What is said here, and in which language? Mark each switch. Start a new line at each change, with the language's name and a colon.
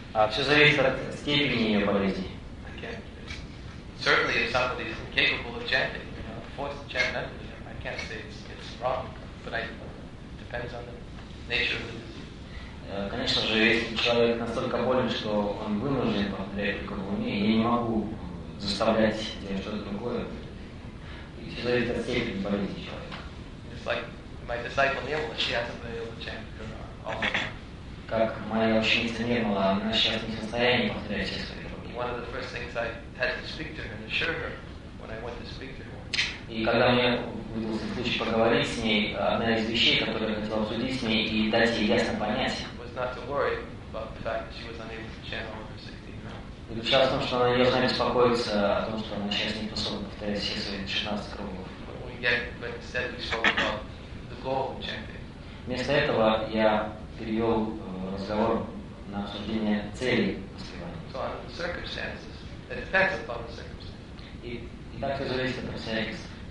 Russian: Все зависит от степени ее болезни.
English: Okay. certainly if somebody is incapable of chanting, you know, forced to chant mentally, I can't say it's wrong, but it depends on the nature of the disease.
Russian: Конечно же, если человек настолько болен, что он вынужден повторять только в уме, я не могу заставлять делать что-то другое. Все зависит от степени болезни человека. Как моя ученица Нирмала, она сейчас не в состоянии повторять все свои руки.
English: One of the first things I had to speak to her and assure her when I went to speak to her.
Russian: И когда мне выдался случай поговорить с ней, одна из вещей, которую я хотел обсудить с ней и дать ей ясно понять,
English: not to worry about the fact that she was unable to chant over 16 rounds.
Russian: Сейчас том, что она не должна беспокоиться о том, что она сейчас не способна повторять все свои 16 кругов.
English: But instead we spoke about the goal of chanting.
Russian: Вместо этого я перевел разговор на обсуждение цели воспевания.
English: So on the circumstances. It depends upon the circumstances.
Russian: И так все зависит от обстоятельств.